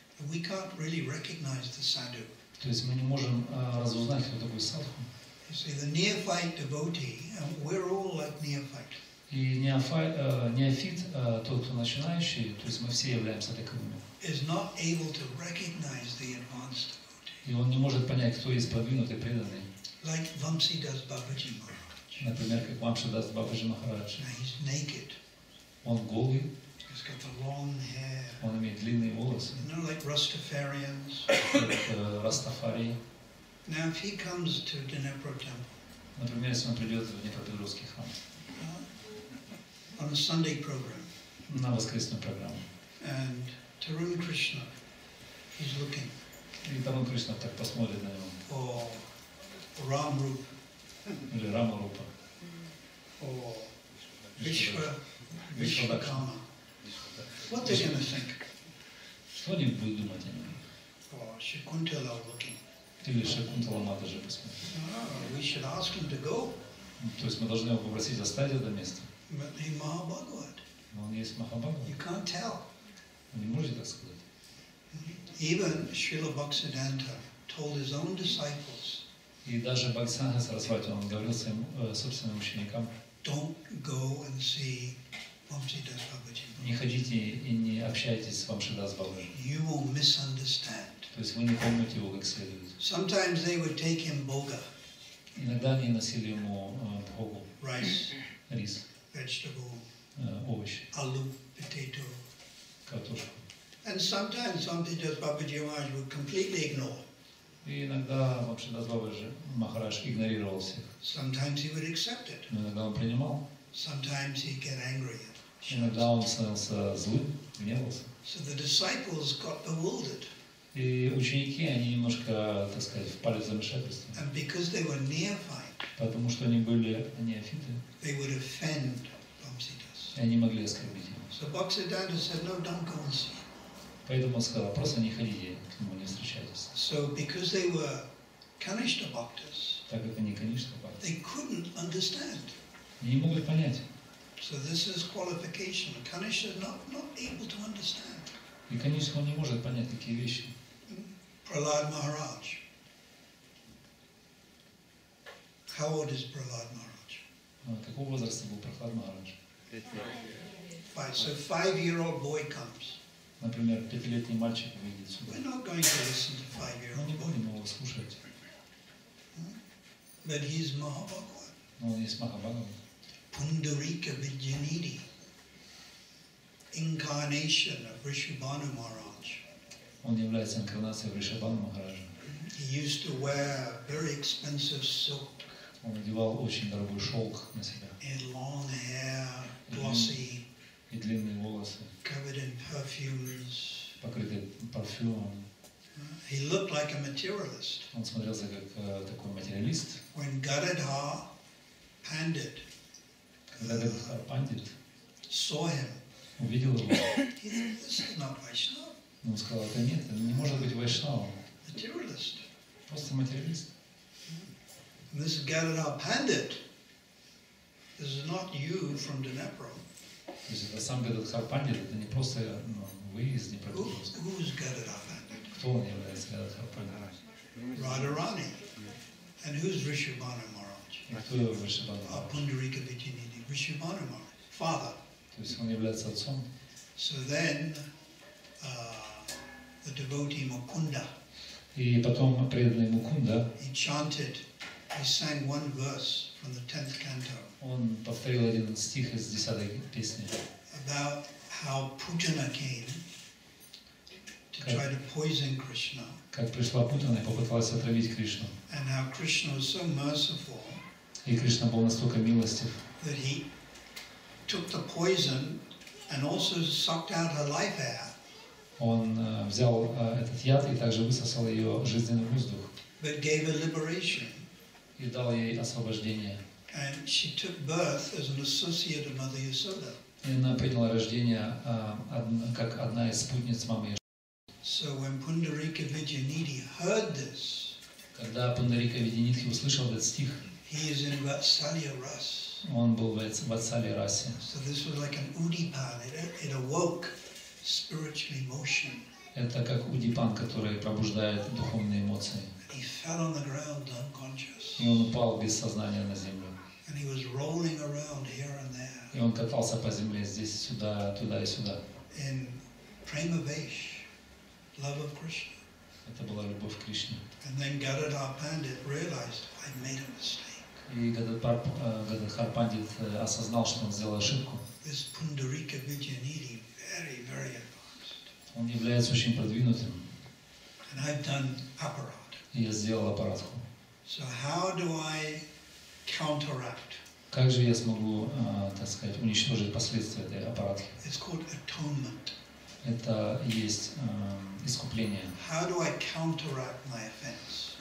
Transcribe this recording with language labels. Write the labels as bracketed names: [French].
[English] We can't really recognize the sadhu. [Russian] То есть мы не можем разузнать, кто такой садху. [English] You see, the neophyte devotee, and we're all like neophyte. [Russian] И неофит, тот, кто начинающий, то есть мы все являемся таковыми. [English] Is not able to recognize the advanced devotee. [Russian] И он не может понять, кто есть продвинутый преданный. [English] Like Vamsi does Babaji Maharaj. [Russian] Например, как Вамши даст Бабаджи Махарадж. [English] He's naked. [Russian] Он голый. [English] He's got the long hair. [Russian] Он имеет длинные волосы. [English] You know, like Rastafarians. [Russian] Растафари. [English] Now, if he comes to Dnepro temple, [Russian] например, если он придет в Днепропетровский храм, [English] on a Sunday program, [Russian] на воскресную программу, [English] and Tarun Krishna is looking, [Russian] и Тарун Кришна так посмотрит на него, [English] or Ram Rupa, [Russian] или Рама Рупа, [English] or Vishwakarma, what they're gonna think? [Russian] Что они будут думать о нем? [English] Or Shakuntala looking. [Russian] Или Шакунтала Мата же посмотрим. [English] We should ask him to go. [Russian] То есть мы должны его попросить оставить это место. [English] But he Mahabhagavat. [Russian] Но он есть Махабхагават. [English] You can't tell. [Russian] Он не может так сказать. [English] Even Srila Bhaksidanta told his own disciples. [Russian] И даже Бхаксанга Сарасвати, он говорил своим собственным ученикам. [English] Don't go and see Vamsi Das Babaji. [Russian] Не ходите и не общайтесь с Вамши Дас Бабаджи. [English] You will misunderstand. [Russian] То есть вы не помните его как следует. [English] Sometimes they would take him bhoga. [Russian] Иногда они носили ему бхогу. [English] Rice. [Russian] Рис. [English] Vegetable. [Russian] Овощи. [English] Алу, potato. [Russian] Картошку. [English] And sometimes Vamsi Das Babaji Maharaj would completely ignore. [Russian] И иногда Вамсидас Дас Бабаджи Махарадж игнорировал всех. [English] Sometimes he would accept it. [Russian] Иногда он принимал. [English] Sometimes he'd get angry. [Russian] Иногда он становился злым, гневался. [English] So the disciples got bewildered. [Russian] И ученики, они немножко, так сказать, впали в замешательство. [English] And because they were neophyte, [Russian] потому что они были неофиты, [English] they would offend Vamsi Das. [Russian] И они могли оскорбить его. [English] So Bhaksidanta said, no, don't go and see. [Russian] Поэтому он сказал, просто не ходите к нему, не встречайтесь. [English] So because they were Kanishtha Bhaktas, [Russian] так как они Kanishtha Bhaktas, [English] they couldn't understand. [Russian] Они не могут понять. [English] So this is qualification. Kanishka not able to understand. [Russian] И Канишка не может понять такие вещи. [English] Prahlad Maharaj. How old is Prahlad Maharaj? [Russian] Какого возраста был Прохлад Махарадж? [English] 5. So 5-year-old boy comes. [Russian] Например, 5-летний мальчик выйдет сюда. [English] We're not going to listen to 5-year-old. [Russian] Мы не будем его слушать. [English] But he's Mahabhagavan. [Russian] Но он есть Махабхагаван. Пундарика Виджаниди. [English] Incarnation of Ришабану Махарадж. [Russian] Он является инкарнацией Ришабану Махараджа. [English] He used to wear very expensive silk. [Russian] Он одевал очень дорогой шелк на себя. [English] And long hair, glossy. [Russian] И длинные волосы. [English] Covered in perfumes. [Russian] Покрытый парфюмом. [English] He looked like a materialist. [Russian] Он смотрелся как такой материалист. [English] When Gadadhar Pandit. Gadadhar Pandit. Saw him. [Russian] Увидел его. [English] He said, "This is not Vaishnava." [Russian] Он сказал: "Это нет, это не может быть Вайшнава." [English] Materialist. [Russian] Просто материалист. [English] And this is Gadadhar Pandit. This is not you from Dnepro. This is the same Gadadhar Pandit. It's not just you from Dnepro. Who is Gadadhar Pandit? Who is Gadadhar Pandit? Radharani. And who is Rishabhanu Maharaj? Who is Rishabhanu Maharaj? Pundarika Vijayanidhi. Rishabhanu Maharaj. Father. [Russian] То есть он является отцом. [English] So then, the devotee Mukunda. [Russian] И потом преданный Мукунда. [English] He chanted. He sang one verse from the 10th canto. [Russian] Он повторил один стих из 10-й песни. [English] About how Putana came to try to poison Krishna. [Russian] Как пришла Путана и попыталась отравить Кришну. [English] And how Krishna was so merciful. [Russian] И Кришна был настолько милостив. [English] That he took the poison and also sucked out her life air. [Russian] Он взял этот яд и также высосал ее жизненный воздух. [English] But gave her liberation. [Russian] И дал ей освобождение. [English] And she took birth as an associate of Mother Yasoda. [Russian] И она приняла рождение как одна из спутниц мамы Яшоды. [English] So when Pundarika Vidyanidhi heard this, [Russian] когда Пундарика Видянидхи услышал этот стих, [English] he is in Vatsalya Ras. [Russian] Он был в Vatsalya Rasе. [English] So this was like an Udipan. It awoke spiritual emotion. [Russian] Это как Удипан, который пробуждает духовные эмоции. [English] He fell on the ground unconscious. [Russian] И он упал без сознания на землю. [English] And he was rolling around here and there. [Russian] И он катался по земле здесь, сюда, туда и сюда. [English] In prema vesh, love of Krishna. [Russian] Это была любовь к Кришне. [English] And then Gadadhar Pandit realized I made a mistake. [Russian] И Гададхар Пандит осознал, что он сделал ошибку. [English] This Pundarika Vidyanidhi very, very advanced. [Russian] Он является очень продвинутым. [English] And I've done apara. [Russian] Я сделал аппаратку. [English] So how do I counteract? [Russian] Как же я смогу, так сказать, уничтожить последствия этой аппаратки? [English] It's called atonement. [Russian] Это есть искупление. [English] How do I counteract my offense?